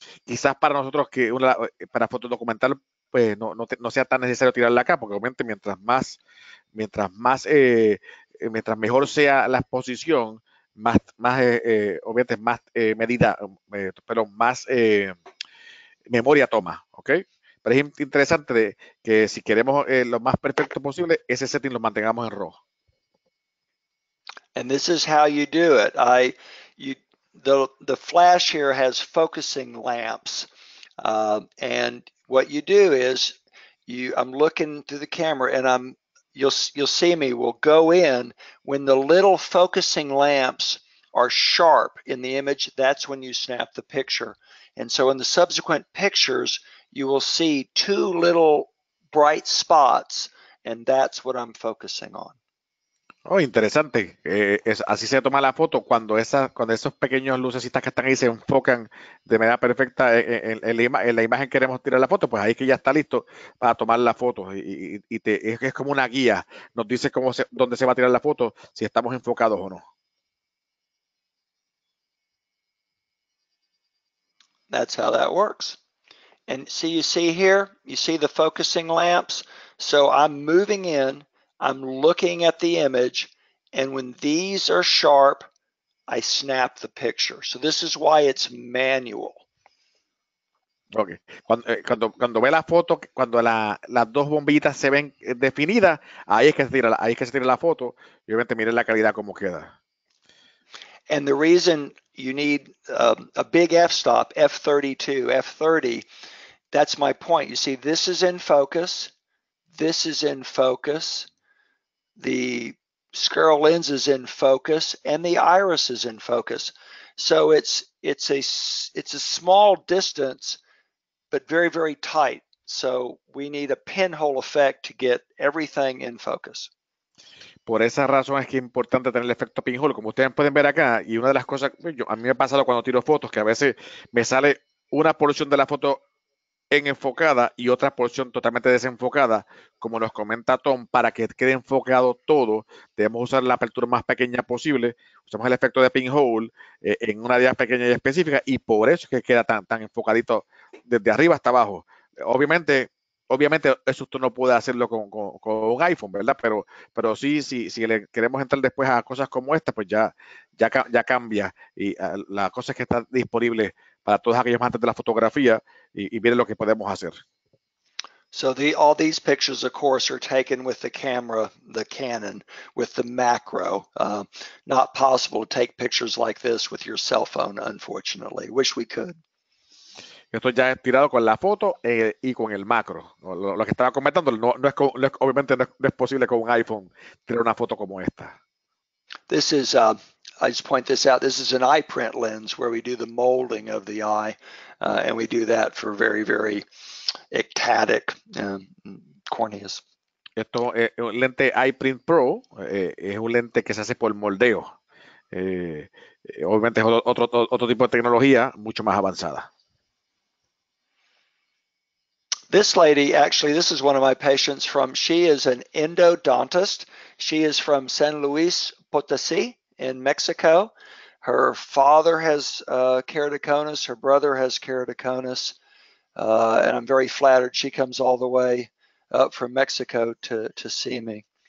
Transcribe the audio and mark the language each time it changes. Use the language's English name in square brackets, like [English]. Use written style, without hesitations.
[Spanish] Quizás para nosotros que para fotos documental, pues no sea tan necesario tirarla acá, porque obviamente mientras mejor sea la exposición, memoria toma, ¿ok? Pero es interesante que si queremos lo más perfecto posible, ese setting lo mantengamos en rojo. [English] And this is how you do it. The flash here has focusing lamps, and what you do is I'm looking through the camera, and you'll see me. We'll go in when the little focusing lamps are sharp in the image. That's when you snap the picture. And so in the subsequent pictures, you will see two little bright spots, and that's what I'm focusing on. [Spanish] Oh, interesante. Así se toma la foto cuando esos pequeños lucecitas que están ahí se enfocan de manera perfecta en la imagen que queremos tirar la foto, pues ahí que ya está listo para tomar la foto. Es como una guía. Nos dice dónde se va a tirar la foto, si estamos enfocados o no. [English] That's how that works. And so you see here, you see the focusing lamps. So I'm moving in, I'm looking at the image, and when these are sharp, I snap the picture. So this is why it's manual. Okay. [Spanish] Cuando ve la foto, cuando las dos bombillitas se ven definidas, ahí es que se tira la foto. Y obviamente miren la calidad como queda. [English] And the reason you need a big f-stop, f32, f30, that's my point. You see, this is in focus. This is in focus. The scleral lens is in focus, and the iris is in focus. So it's a small distance, but very, very tight. So we need a pinhole effect to get everything in focus. [Spanish] Por esa razón es que es importante tener el efecto pinhole, como ustedes pueden ver acá. Y una de las cosas, a mí me ha pasado cuando tiro fotos, que a veces me sale una porción de la foto en enfocada y otra porción totalmente desenfocada, como nos comenta Tom. Para que quede enfocado todo, debemos usar la apertura más pequeña posible. Usamos el efecto de pinhole en una área pequeña y específica, y por eso es que queda tan enfocadito desde arriba hasta abajo. Obviamente, eso usted no puede hacerlo con un iPhone, ¿verdad? Pero sí, si le queremos entrar después a cosas como esta, pues ya cambia. Y la cosa es que está disponible para todos aquellos amantes de la fotografía y miren lo que podemos hacer. [English] So the, all these pictures, of course, are taken with the camera, the Canon, with the macro. Not possible to take pictures like this with your cell phone, unfortunately. Wish we could. [Spanish] Esto ya es tirado con la foto y con el macro. Lo que estaba comentando, no es posible con un iPhone tirar una foto como esta. [English] This is, I just point this out, this is an eye print lens where we do the molding of the eye, and we do that for very, very ectatic corneas. [Spanish] Esto es un lente eye print pro, es un lente que se hace por moldeo. Obviamente es otro tipo de tecnología mucho más avanzada. [English] This lady, actually, this is one of my patients from, she is an endodontist. She is from San Luis Potosí in Mexico. Her father has keratoconus, her brother has keratoconus, and I'm very flattered she comes all the way up from Mexico to see me.